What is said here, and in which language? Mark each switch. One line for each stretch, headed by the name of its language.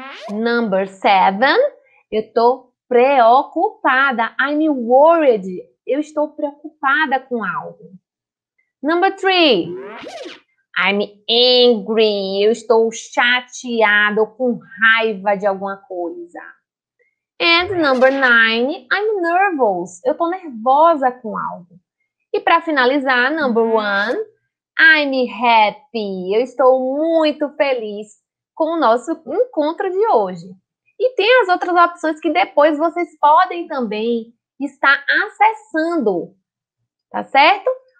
English: Number seven,
Portuguese: eu estou preocupada.
English: I'm worried.
Portuguese: Eu estou preocupada com algo.
English: Number three, I'm angry.
Portuguese: Eu estou chateado com raiva de alguma coisa.
English: And number nine, I'm nervous.
Portuguese: Eu estou nervosa com algo. E para finalizar,
English: number one, I'm happy.
Portuguese: Eu estou muito feliz com o nosso encontro de hoje. E tem as outras opções que depois vocês podem também estar acessando, tá certo?